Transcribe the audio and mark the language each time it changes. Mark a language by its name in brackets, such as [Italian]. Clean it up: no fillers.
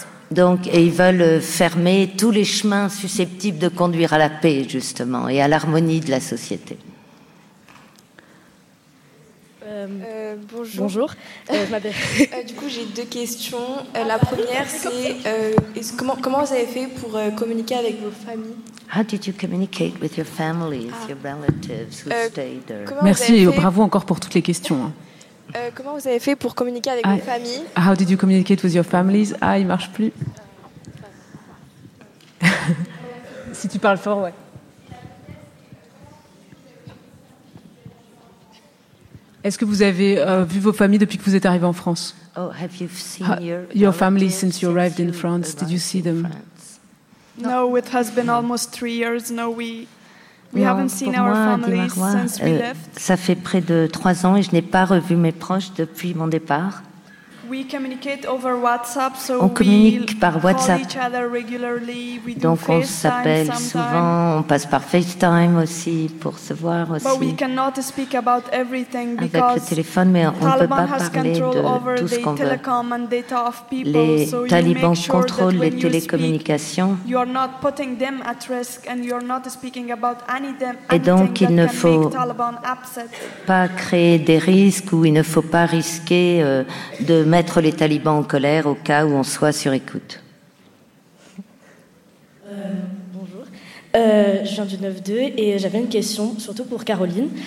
[French] Donc, et ils veulent fermer tous les chemins susceptibles de conduire à la paix, justement, et à l'harmonie de la société. Bonjour. Bonjour. Du coup, j'ai deux questions. La première, c'est comment vous avez fait pour communiquer avec vos familles? [English] How did you communicate with your families, your relatives who stayed there? [French] Merci et bravo encore pour toutes les questions. Comment vous avez fait pour communiquer avec vos familles? [English] How did you communicate with your families? [French] Ah, il marche plus. Si tu parles fort, ouais. Est-ce que vous avez vu vos familles depuis que vous êtes arrivé en France? [English] Oh, have you seen your family since you arrived in France? Did you see them? No, it has been almost 3 years. No, we haven't seen our families since we left. [French] Ça fait près de 3 ans et je n'ai pas revu mes proches depuis mon départ. [English] We communicate over WhatsApp, so [French] on communique par WhatsApp. [English] Call each other regularly. We do [French] donc on [English] FaceTime [French] s'appelle [English] sometime. [French] Souvent, on passe par FaceTime aussi pour se voir aussi. [English] But we cannot speak about everything because [French] avec le téléphone, mais on ne peut pas parler de tout ce qu'on veut. Les talibans [English] so sure [French] contrôlent les télécommunications. [English] You are not putting them at risk and you are not speaking about any them. [French] Et donc il ne faut pas créer des risques ou il ne faut pas risquer de mettre les talibans en colère au cas où on soit sur écoute. Bonjour, je viens du 9-2 et j'avais une question, surtout pour Caroline.